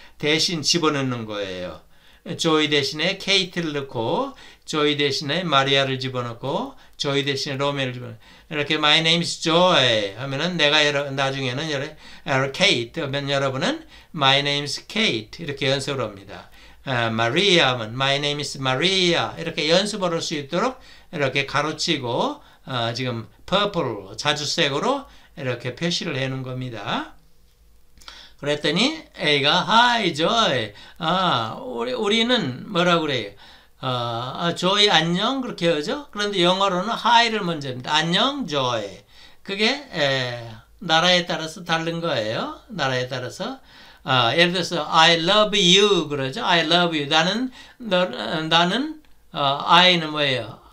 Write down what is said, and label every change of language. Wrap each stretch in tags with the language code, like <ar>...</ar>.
<ko>대신 집어넣는 거예요. 조이 대신에 케이트를 넣고, 조이 대신에 마리아를 집어넣고, 조이 대신에 로메를 집어넣고, 이렇게</ko> <en>My name is Joy</en> <ko>하면은 내가 여러, 나중에는 여러, 케이트 하면 여러분은</ko> <en>My name is Kate</en> <ko>이렇게 연습을 합니다. Maria 하면</ko> <en>My name is Maria</en> <ko>이렇게 연습을 할수 있도록 이렇게 가로치고, 지금 purple 자주색으로 이렇게 표시를 해놓은 겁니다. 그랬더니 A가 Hi, Joy. 우리는 뭐라고 그래요? Joy 안녕 그렇게 하죠? 그런데 영어로는 Hi를 먼저 합니다. 안녕, Joy. 그게 나라에 따라서 다른 거예요. 나라에 따라서. 예를 들어서</ko> <en>I love you</en> <ko>그러죠?</ko> <en>I love you.</en> <ko>나는 I는 뭐예요?</ko>